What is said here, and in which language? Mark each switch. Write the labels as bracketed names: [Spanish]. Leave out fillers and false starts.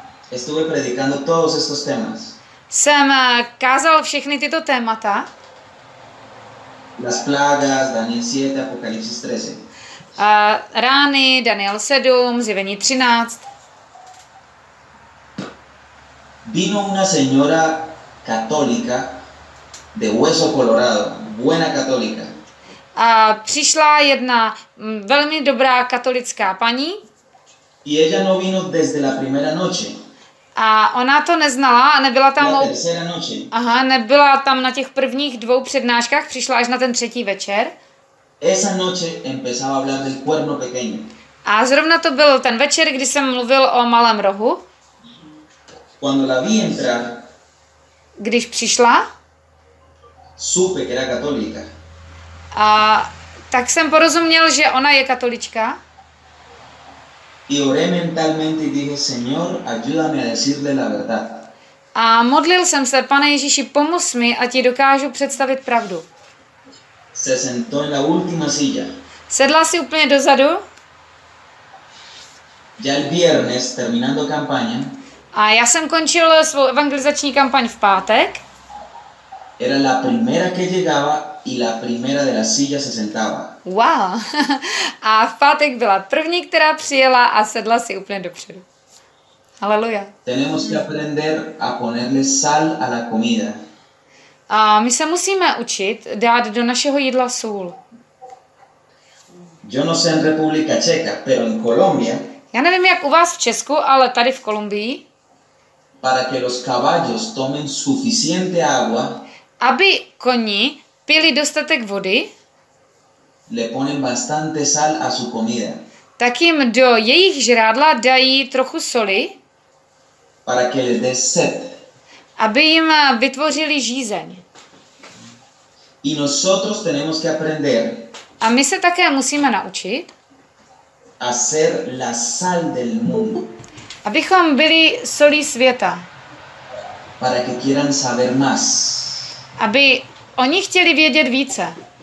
[Spanish] estuve predicando todos estos temas. [Czech] Jsem kázal všechny tyto témata. [Spanish] Las plagas, Daniel 7, Apocalipsis 13. [Czech] Rány, Daniel 7, Zjevení 13. [Spanish] Vino una señora católica de hueso colorado, buena católica. [Czech] přišla jedna velmi dobrá katolická paní. [Spanish] Y ella no vino desde la primera noche. [Czech] A ona to neznala a nebyla tam [Spanish] la tercera noche. [Czech] Aha, nebyla tam na těch prvních dvou přednáškách, přišla až na ten třetí večer. [Spanish] Esa noche empezaba a hablar del cuerno pequeño. [Czech] A zrovna to byl ten večer, kdy jsem mluvil o malém rohu. [Spanish] Cuando la vi entrar, [Czech] když přišla, [Spanish] supe que era católica. [Czech] A tak jsem porozuměl, že ona je katolička. [Spanish] Y oré mentalmente y dije, Señor, ayúdame a decirle la verdad. [Czech] A modlil jsem se, Pane Ježíši, pomoz mi, a ti dokážu představit pravdu. [Spanish] Se sentó en la última silla. [Czech] Sedla si úplně dozadu. [Spanish] Ya el viernes, terminando campaña. [Czech] A já jsem končil svou evangelizační kampaň v pátek. [Spanish] Era la primera que llegaba y la primera de la silla se sentaba. Wow. [Czech] A v pátek byla první, která přijela a sedla si úplně dopředu. Aleluja. [Spanish] Tenemos que aprender a ponerle sal a la comida. [Czech] A my se musíme učit dát do našeho jídla sůl. [Spanish] Yo no sé en República Checa, pero en Colombia. [Czech] Já nevím, jak u vás v Česku, ale tady v Kolumbii. [Spanish] Para que los caballos tomen suficiente agua. [Czech] Aby koni pili dostatek vody. [Spanish] Le ponen bastante sal a su comida. [Czech] Tak jim do jejich žrádla dají trochu soli. [Spanish] Para que les dé sed. [Czech] Aby jim vytvořili žízeň. [Spanish] Y nosotros tenemos que aprender. [Czech] A my se také musíme naučit. [Spanish] A ser la sal del mundo. [Czech] Abychom byli solí světa. [Spanish] Para que quieran saber más. [Czech] Aby oni chtěli vědět více.